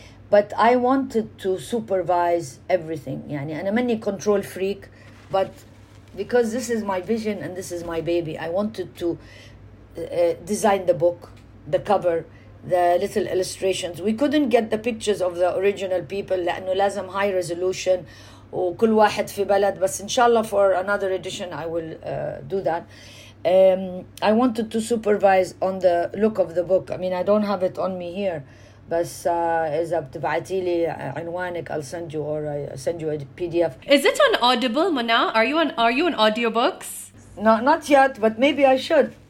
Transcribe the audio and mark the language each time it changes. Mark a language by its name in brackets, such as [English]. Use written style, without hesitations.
[English] But I wanted to supervise everything. [Arabic] يعني أنا ماني [English] control freak, but because this is my vision and this is my baby, I wanted to design the book, the cover, the little illustrations. We couldn't get the pictures of the original people, [Arabic] لأنه لازم [English] high resolution. [Arabic] وكل واحد في بلد, بس إن شاء الله [English] for another edition I will do that. I wanted to supervise on the look of the book. I mean, I don't have it on me here, but [Arabic] إذا بتبعتي لي عنوانك, [English] I'll send you, or I send you a PDF. Is it on Audible, Mona? Are you on audiobooks? Not yet, but maybe I should.